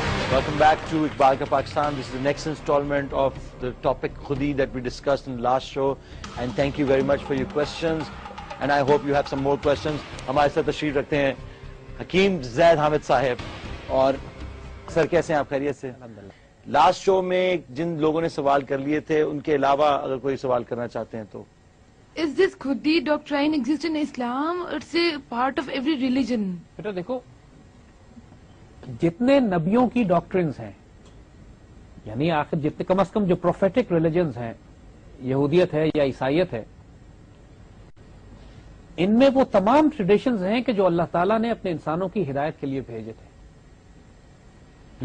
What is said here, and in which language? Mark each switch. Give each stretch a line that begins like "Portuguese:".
English: Welcome back to Iqbal Ka Pakistan. This is the next installment of the topic Khudi that we discussed in the last show. And thank you very much for your questions. And I hope you have some more questions.
Hindi: हमारे साथ तशरीफ रखते हैं हकीम जैद हामिद साहब। और sir कैसे हैं आप, खैरियत से? लास्ट शो में जिन लोगों ने सवाल कर लिए थे उनके अलावा अगर कोई सवाल करना चाहते हैं तो
English: Is this Khudi doctrine exist in Islam? It's a part of every religion.
Hindi: बेटा देखो, जितने नबियों की डॉक्ट्रिन्स हैं, यानी आखिर जितने कम से कम जो प्रोफेटिक रिलीजन्स हैं, यहूदियत है या ईसाइत है, इनमें वो तमाम ट्रेडिशंस हैं कि जो अल्लाह ताला ने अपने इंसानों की हिदायत के लिए भेजे थे।